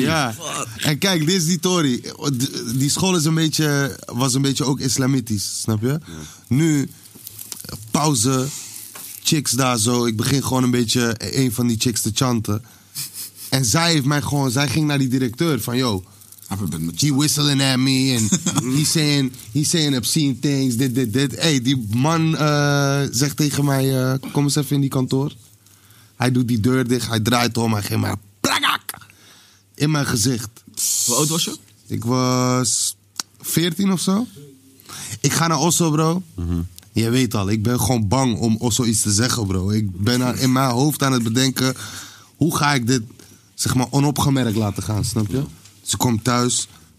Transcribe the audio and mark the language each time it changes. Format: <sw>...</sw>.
<nl>Ja. En kijk, dit is die tori. Die school is een beetje, was een beetje ook islamitisch, snap je? Nu, pauze, chicks daar zo. Ik begin gewoon een beetje een van die chicks te chanten. En zij heeft mij gewoon... Zij ging naar die directeur van, yo...</nl> <en>He whistling at me and he's saying obscene things, dit.</en> <nl>Hey, die man zegt tegen mij, kom eens even in die kantoor. Hij doet die deur dicht, hij draait om, hij geeft mij plakak in mijn gezicht. Hoe oud was je? Ik was 14 of zo. Ik ga naar Osso, bro. Mm-hmm. Je weet al, ik ben gewoon bang om Osso iets te zeggen, bro. Ik ben in mijn hoofd aan het bedenken, hoe ga ik dit, zeg maar, onopgemerkt laten gaan, snap je? Ze komt thuis.</nl>